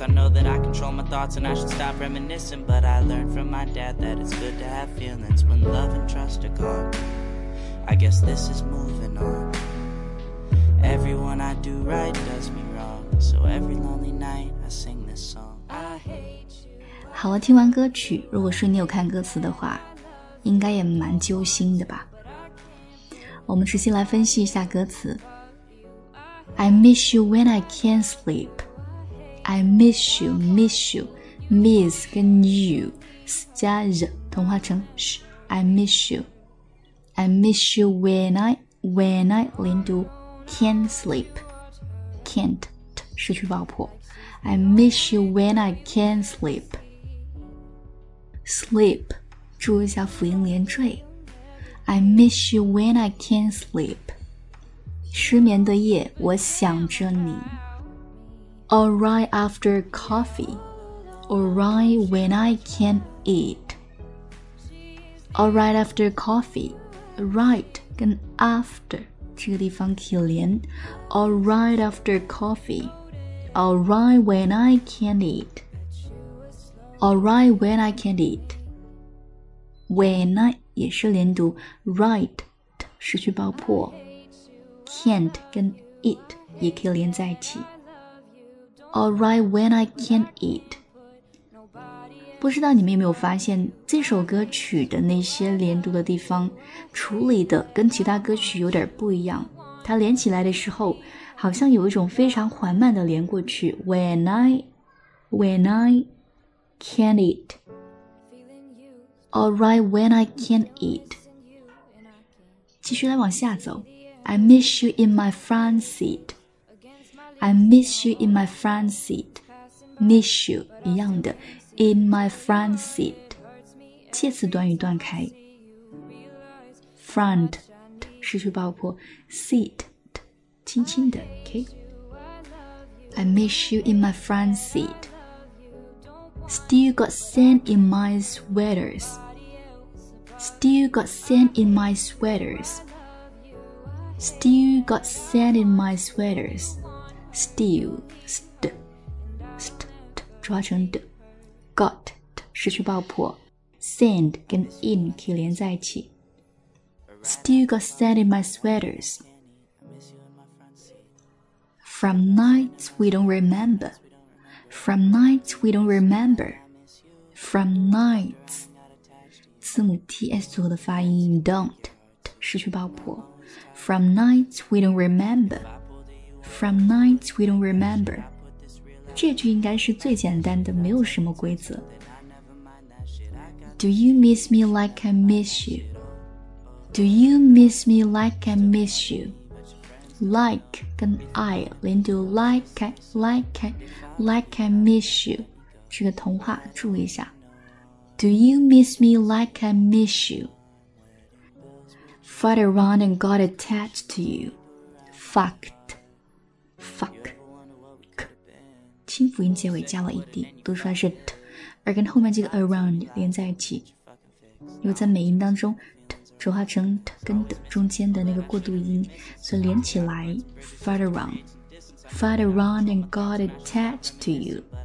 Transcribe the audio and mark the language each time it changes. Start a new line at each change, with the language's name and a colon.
English: I know that I control my thoughts and I should stop reminiscing. But I learned from my dad that it's good to have feelings. When love and trust are gone, I guess this is moving on. Everyone I do right does me wrong. So every lonely night I sing this song. I hate you.
Chinese: 好了，听完歌曲，如果说你有看歌词的话，应该也蛮揪心的吧。我们直接来分析一下歌词。
English: I miss you when I can't sleep. I miss you, miss you. Miss
Chinese: 跟
English: you
Chinese: 加
English: z
Chinese: 同化成
English: sh. I miss you. I miss you when I
Chinese: 连读
English: can't sleep. Can't t
Chinese: 失去爆破。
English: I miss you when I can't sleepSleep,
Chinese: 注意一下辅音连缀。
English: I miss you when I can't sleep.
Chinese: 失眠的夜，我想着你。
English: All right after coffee. All right when I can't eat. All right after coffee.
Chinese: Right 跟 after 这个地方可连。
English: All right after coffee. All right when I can't eat. All right when I can't eat. When I
Chinese: 也是连读 right 失去爆破 can't 跟 it 也可以连在一起。
English: All right when I can't eat.
Chinese: 不知道你们有没有发现这首歌曲的那些连读的地方处理的跟其他歌曲有点不一样，它连起来的时候好像有一种非常缓慢的连过去。
English: When I can't eat. All right when I can't eat.
Chinese: 继续来往下走。
English: I miss you in my front seat. I miss you in my front seat. Miss you,
Chinese: 一样的。
English: In my front seat.
Chinese: 介词短语断开。 Front, 失去爆破。Seat, 轻轻的。Okay?
English: I miss you in my front seat. Still got sand in my sweaters. Still got sand in my sweaters. Still got sand in my sweaters. Still, st, st, t,
Chinese: 抓成
English: d.
Chinese: Got, t, 失去爆破。 Sand 跟 in 可以连在一起。
English: Still got sand in my sweaters. From nights we don't remember. From nights we don't remember. From nights,
Chinese: 字母 TS 左右的发音 don't, 失去爆破。
English: From nights we don't remember. From nights we don't remember.
Chinese: 这句应该是最简单的，没有什么规则。
English: Do you miss me like I miss you? Do you miss me like I miss you? Like
Chinese: 跟
English: I
Chinese: 连读
English: like I miss you.
Chinese: 这个童话注意一下。
English: Do you miss me like I miss you? Fucked around and got attached to you. Fucked. Fuck. K.
Chinese: 清辅音结尾加了 ed， 读出来是 t， 而跟后面这个 around 连在一起，又在美音当中 t 转化成 t 跟 d 中间的那个过渡音，所以连起来
English: fight around and got attached to you。